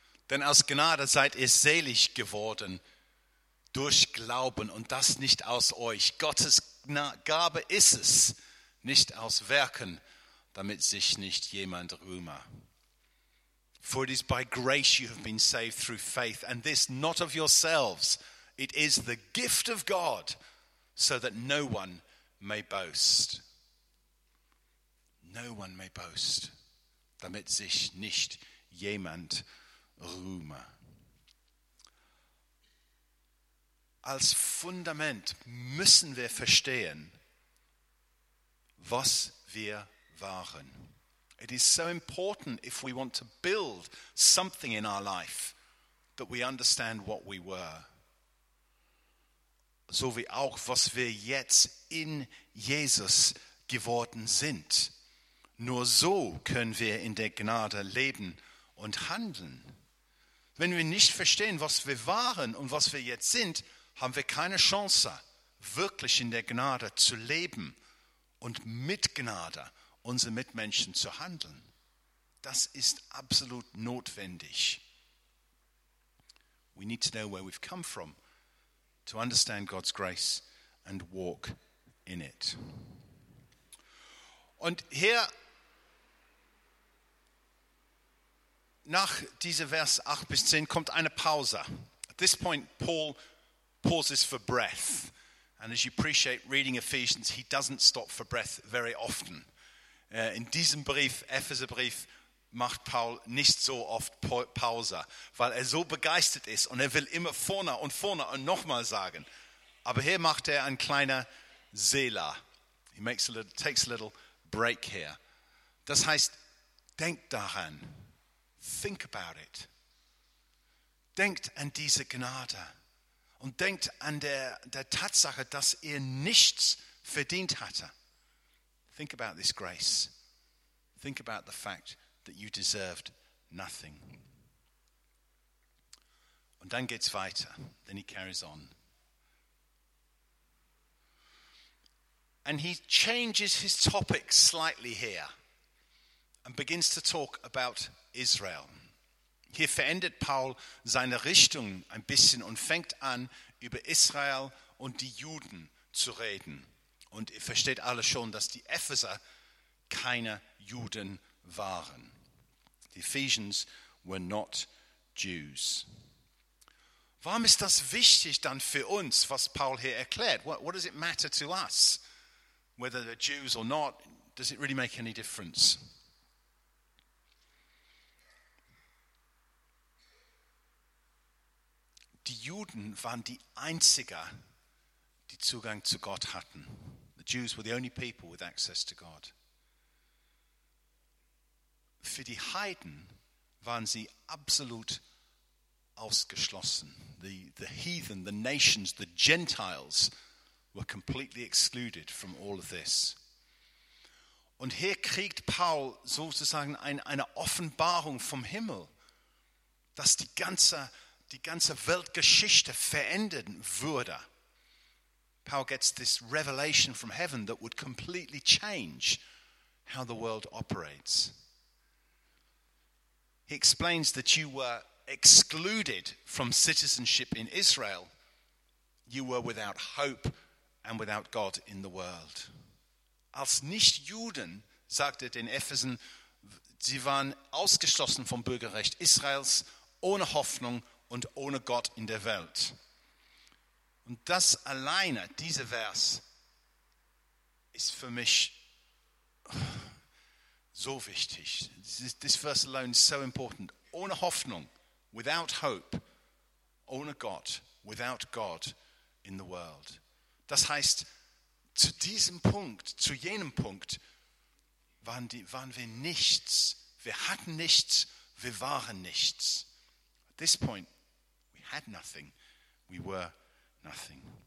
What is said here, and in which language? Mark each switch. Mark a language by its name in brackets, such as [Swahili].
[German] Denn aus Gnade seid ihr selig geworden, durch Glauben und das nicht aus euch. Gottes Gabe ist es, nicht aus Werken, damit sich nicht jemand rühme. [English] For it is by grace you have been saved through faith, and this not of yourselves. It is the gift of God, so that no one may boast. No one may boast, [German] damit sich nicht jemand rühme. Als Fundament müssen wir verstehen, was wir waren. [English] It is so important if we want to build something in our life that we understand what we were. [German] So wie auch, was wir jetzt in Jesus geworden sind. Nur so können wir in der Gnade leben und handeln. Wenn wir nicht verstehen, was wir waren und was wir jetzt sind, haben wir keine Chance, wirklich in der Gnade zu leben und mit Gnade unsere Mitmenschen zu handeln. Das ist absolut notwendig. [English] We need to know where we've come from to understand God's grace and walk in it. [German] Und hier, nach diesem Vers 8 bis 10, kommt eine Pause. [English] At this point, Paul pauses for breath. And as you appreciate reading Ephesians, he doesn't stop for breath very often. [German] In diesem Brief, Epheserbrief, macht Paul nicht so oft Pause, weil er so begeistert ist und er will immer vorne und nochmal sagen. Aber hier macht er ein kleiner Sela. [English] He makes a little, takes a little break here. [German] Das heißt, denkt daran. [English] Think about it. [German] Denkt an diese Gnade. Und denkt an der Tatsache, dass ihr nichts verdient hatte. [English] Think about this grace. Think about the fact that you deserved nothing. [German] Und dann geht's weiter. [English] Then he carries on. And he changes his topic slightly here and begins to talk about Israel. [German] Hier verändert Paul seine Richtung ein bisschen und fängt an, über Israel und die Juden zu reden. Und ihr versteht alle schon, dass die Epheser keine Juden waren. [English] The Ephesians were not Jews. [German] Warum ist das wichtig dann für uns, was Paul hier erklärt? [English] What does it matter to us? Whether they're Jews or not, does it really make any difference? [German] Die Juden waren die einzigen, die Zugang zu Gott hatten. [English] The Jews were the only people with access to God. [German] Für die Heiden waren sie absolut ausgeschlossen. [English] The heathen, the nations, the Gentiles were completely excluded from all of this. [German] Und hier kriegt Paul sozusagen eine Offenbarung vom Himmel, dass die ganze Weltgeschichte verändern würde. [English] Paul gets this revelation from heaven that would completely change how the world operates. He explains that you were excluded from citizenship in Israel. You were without hope and without God in the world. [German] Als Nicht-Juden, sagt er den Ephesern, sie waren ausgeschlossen vom Bürgerrecht Israels, ohne Hoffnung und ohne Gott in der Welt. Und das alleine, dieser Vers, ist für mich so wichtig. [English] This verse alone is so important. [German] Ohne Hoffnung, [English] without hope, [German] ohne Gott, [English] without God in the world. [German] Das heißt, zu diesem Punkt, zu jenem Punkt, waren wir nichts. Wir hatten nichts, wir waren nichts. [English] At this point, we had nothing, we were nothing.